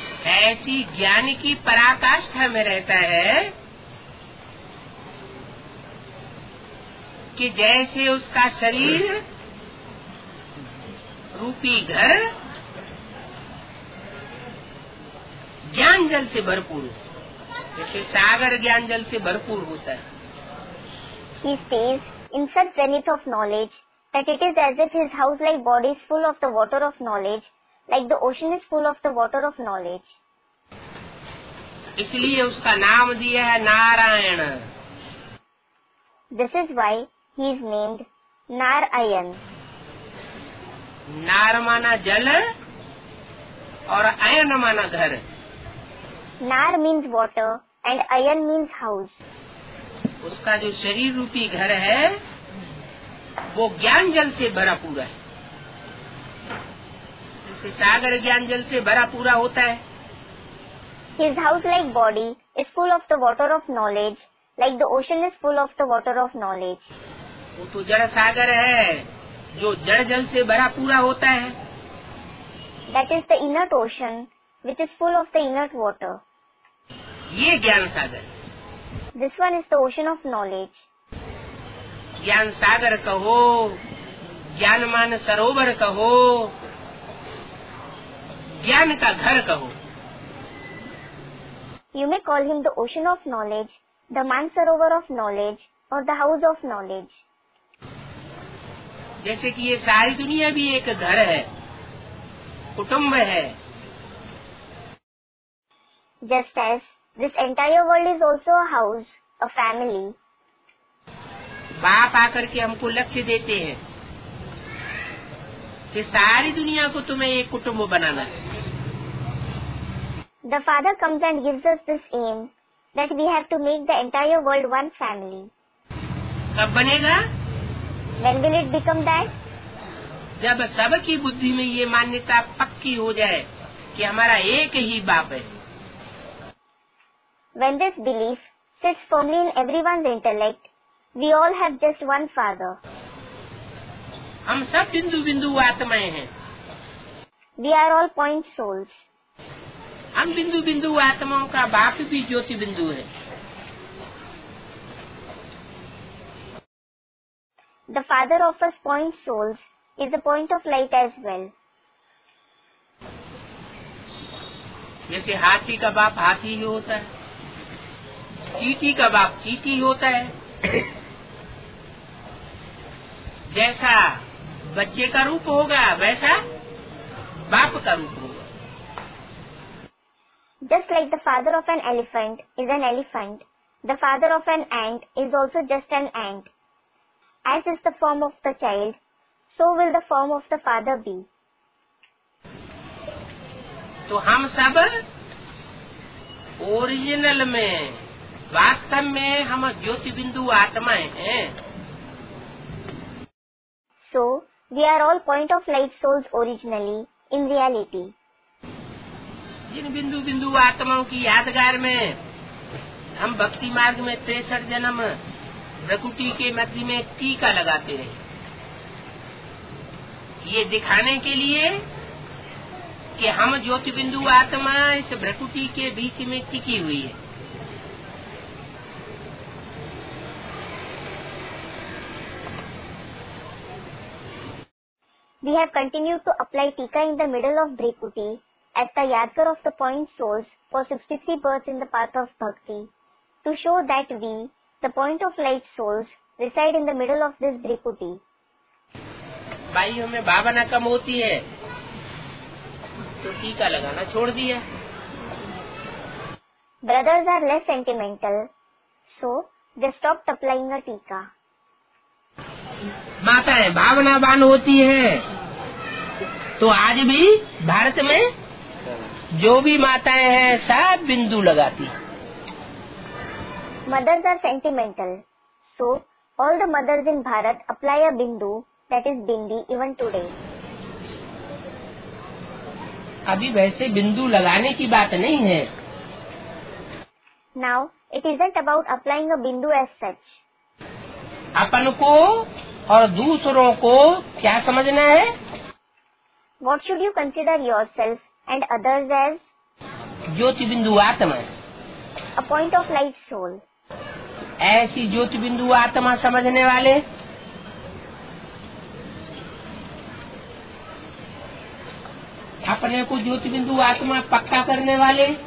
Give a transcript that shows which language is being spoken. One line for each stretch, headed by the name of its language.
Hindi: ऐसी ज्ञान की पराकाष्ठा में रहता है कि जैसे उसका शरीर रूपी घर ज्ञान जल से भरपूर, जैसे सागर ज्ञान जल से भरपूर होता है।
English: He stays in such zenith of knowledge that it is as if his house like body is full of the water of knowledge, like the ocean is full of the water of knowledge.
Hindi: इसलिए उसका नाम दिया है Narayan.
English: This is why he is named Narayan.
Hindi: नार माना जल और अयन माना घर।
English: नार means water and अयन means house.
Hindi: उसका जो शरीर रूपी घर है वो ज्ञान जल से भरा पूरा है, जैसे सागर ज्ञान जल से भरा पूरा होता है।
English: His house like body is full of the water of knowledge, like the ocean is full of the water of knowledge.
Hindi: वो तो जड़ सागर है जो जड़ जल से भरा पूरा होता है।
English: That is the inert ocean which is full of the inert water.
Hindi: ये ज्ञान सागर।
English: This one is the ocean of knowledge.
Hindi: ज्ञान सागर कहो, ज्ञान मान सरोवर कहो, ज्ञान का घर कहो।
English: You may call him the ocean of knowledge, the mansarovar of knowledge, or the house of knowledge.
Hindi: जैसे कि ये सारी दुनिया भी एक घर है, कुटुंब है।
English: Just as this entire world is also a house, a family.
Hindi: बाप आकर के हमको लक्ष्य देते हैं कि सारी दुनिया को तुम्हें एक कुटुंब बनाना है।
English: The father comes and gives us this aim that we have to make the entire world one family.
Hindi: कब बनेगा?
English: When will it become that?
Hindi: जब सबकी बुद्धि में ये मान्यता पक्की हो जाए कि हमारा एक ही बाप है।
English: When this belief sits firmly in everyone's intellect, we all have just one father.
Hindi: हम सब बिंदु बिंदु आत्माएं हैं।
English: We are all point souls.
Hindi: हम बिंदु बिंदु आत्माओं का बाप भी ज्योति बिंदु है।
English: The father of us point souls is the point of light as well.
Hindi: जैसे हाथी का बाप हाथी ही होता है, चींटी का बाप चींटी ही होता है, जैसा बच्चे का रूप होगा वैसा बाप का रूप होगा।
English: Just like the father of an elephant is an elephant, the father of an ant is also just an ant. As is the form of the child, so will the form of the father be.
Hindi: तो हम सब original में वास्तव में हम ज्योति बिंदु आत्माएं हैं।
English: So we are all point of light souls originally in reality.
Hindi: जिन बिंदु बिंदु आत्माओं की यादगार में हम भक्ति मार्ग में 63 जन्म रकुटी के मध्य में टीका लगाते रहे, ये दिखाने के लिए कि हम ज्योति बिंदु आत्मा इस भ्रकुटी के बीच में टिकी हुई है।
English: We have continued to apply tika in the middle of Bhrikuti as the yadgar of the point source for 63 births in the path of bhakti to show that we, the point of light souls, reside in the middle of this Bhrikuti.
Hindi: भाइयों में भावना कम होती है तो टीका लगाना छोड़ दिया।
English: Brothers are less sentimental, so they stopped applying a tika.
Hindi: माता है भावनावान होती है तो आज भी भारत में जो भी माताएं हैं सब बिंदु लगाती।
English: Mothers are sentimental so all the mothers in Bharat apply a bindu that is bindi even today.
Hindi: अभी वैसे बिंदु लगाने की बात नहीं है।
English: Now it isn't about applying a bindu as such.
Hindi: अपन को और दूसरों को क्या समझना है?
English: What should you consider yourself and others as?
Hindi: ज्योति बिंदु आत्मा।
English: A point of light soul.
Hindi: ऐसी ज्योति बिंदु आत्मा समझने वाले अपने को ज्योति बिंदु आत्मा पक्का करने वाले